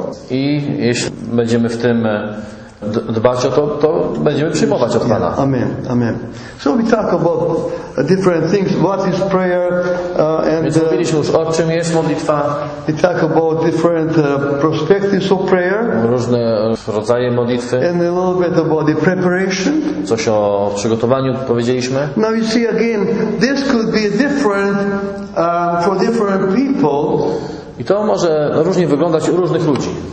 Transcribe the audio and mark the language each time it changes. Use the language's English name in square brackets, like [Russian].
[Polish] I jeśli będziemy w tym dbać o to, to będziemy przyjmować od Pana. [English] Amen, amen. So we talk about different things. What is prayer? [Polish] And mówiliśmy już, o czym jest modlitwa. [English] We talk about different perspectives of prayer. [Polish] Różne rodzaje modlitwy. [English] And a little bit about the preparation. [Polish] Coś o przygotowaniu powiedzieliśmy. [English] Now you see again, this could be different for different people. [Polish] I to może różnie wyglądać u różnych ludzi.